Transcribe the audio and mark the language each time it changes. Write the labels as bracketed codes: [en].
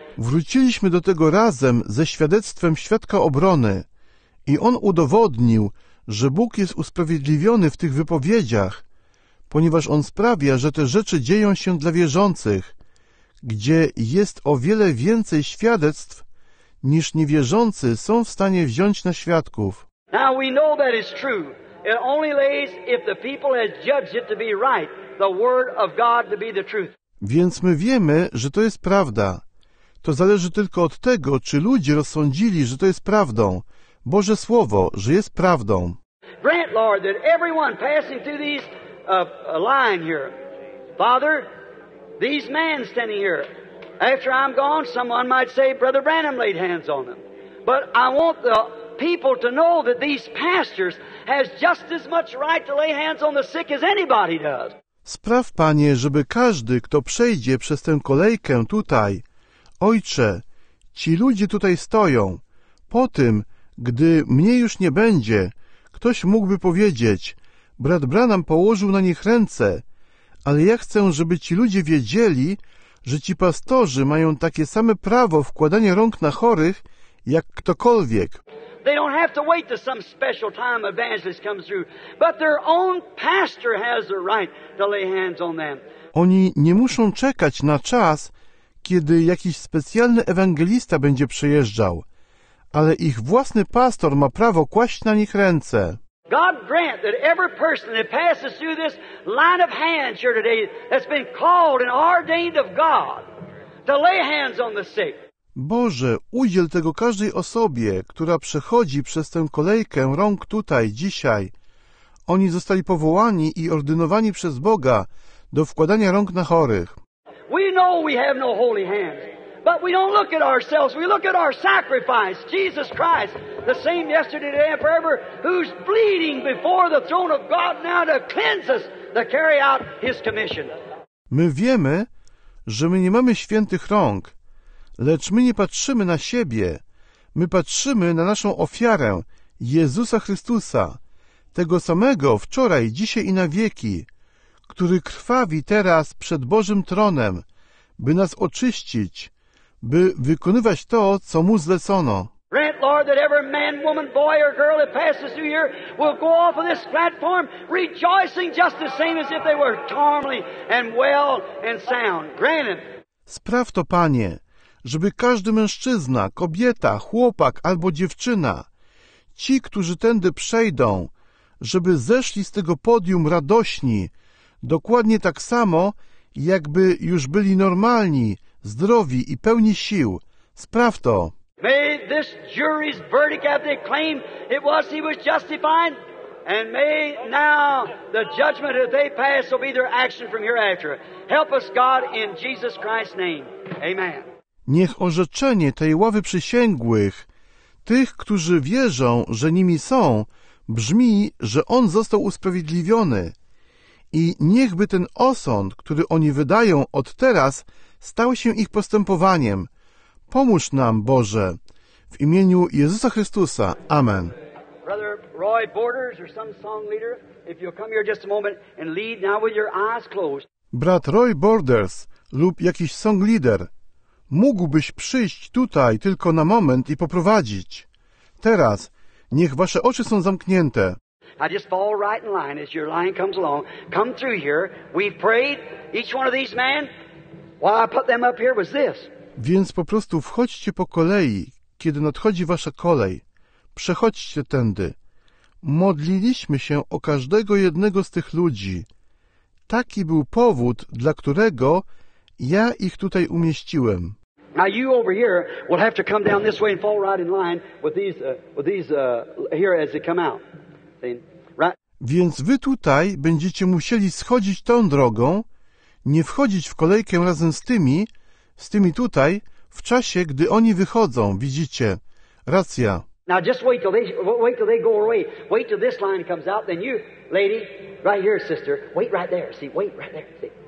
[pl] Wróciliśmy do tego razem ze świadectwem świadka obrony i on udowodnił, że Bóg jest usprawiedliwiony w tych wypowiedziach, ponieważ on sprawia, że te rzeczy dzieją się dla wierzących, gdzie jest o wiele więcej świadectw, niż niewierzący są w stanie wziąć na świadków. [en] Now we know that is true. It only lays if the people has judged it to be right, the word of God to be the truth. [pl] Więc my wiemy, że to jest prawda. To zależy tylko od tego, czy ludzie rozsądzili, że to jest prawdą. Boże Słowo, że jest prawdą. [en] Grant, Lord, that everyone passing through these line here, Father, these men standing here, after I'm gone, someone might say Brother Branham laid hands on them. But I want the people to know that these pastors has just as much right to lay hands on the sick as anybody does. [pl] Spraw, Panie, żeby każdy, kto przejdzie przez tę kolejkę tutaj, Ojcze, ci ludzie tutaj stoją. Po tym, gdy mnie już nie będzie, ktoś mógłby powiedzieć, brat Branham położył na nich ręce, ale ja chcę, żeby ci ludzie wiedzieli, że ci pastorzy mają takie same prawo wkładania rąk na chorych, jak ktokolwiek. [en] They don't have to wait till some special time evangelist comes through, but their own pastor has the right to lay hands on them. [pl] Oni nie muszą czekać na czas, kiedy jakiś specjalny ewangelista będzie przejeżdżał, ale ich własny pastor ma prawo kłaść na nich ręce. [en] God grant that every person that passes through this line of hands here today that's been called and ordained of God to lay hands on the sick. [pl] Boże, udziel tego każdej osobie, która przechodzi przez tę kolejkę rąk tutaj dzisiaj. Oni zostali powołani i ordynowani przez Boga do wkładania rąk na chorych. [en] We know we have no holy hands, but we don't look at ourselves. We look at our sacrifice, Jesus Christ, the same yesterday, today, and forever, who's bleeding before the throne of God now to cleanse us, to carry out His commission. [pl] My wiemy, że my nie mamy świętych rąk, lecz my nie patrzymy na siebie. My patrzymy na naszą ofiarę, Jezusa Chrystusa, tego samego wczoraj, dzisiaj i na wieki, który krwawi teraz przed Bożym tronem, by nas oczyścić, by wykonywać to, co mu zlecono. [en] Grant, Lord, that every man, woman, boy or girl that passes through here will go off of this platform rejoicing just the same as if they were normally and well and sound. Grant it. [pl] Spraw to, Panie, żeby każdy mężczyzna, kobieta, chłopak albo dziewczyna, ci, którzy tędy przejdą, żeby zeszli z tego podium radośni, dokładnie tak samo, jakby już byli normalni, zdrowi i pełni sił. Spraw to. [en] May this jury's verdict have the claim it was he was justified, and may now the judgment that they pass will be their action from hereafter. Help us, God, in Jesus Christ's name. Amen. [pl] Niech orzeczenie tej ławy przysięgłych, tych, którzy wierzą, że nimi są, brzmi, że on został usprawiedliwiony. I niechby ten osąd, który oni wydają od teraz, stał się ich postępowaniem. Pomóż nam, Boże, w imieniu Jezusa Chrystusa. Amen. [en] Brother Roy Borders or some song leader, if you'll come here just a moment and lead now with your eyes closed. [pl] Brat Roy Borders lub jakiś [en] song leader, [pl] mógłbyś przyjść tutaj tylko na moment i poprowadzić. Teraz niech wasze oczy są zamknięte. [en] I just fall right in line as your line comes along. Come through here. We've prayed each one of these men. Why I put them up here was this. [pl] Więc po prostu wchodźcie po kolei, kiedy nadchodzi wasza kolej. Przechodźcie tędy. Modliliśmy się o każdego jednego z tych ludzi. Taki był powód, dla którego ja ich tutaj umieściłem. [en] Now you over here will have to come down this way and fall right in line with these here as they come out. Right. [pl] Więc wy tutaj będziecie musieli schodzić tą drogą, nie wchodzić w kolejkę razem z tymi tutaj, w czasie, gdy oni wychodzą, widzicie? Racja. [en] Now just wait till they go away. Wait till this line comes out, then you, lady, right here, sister, wait right there, see, wait right there, see.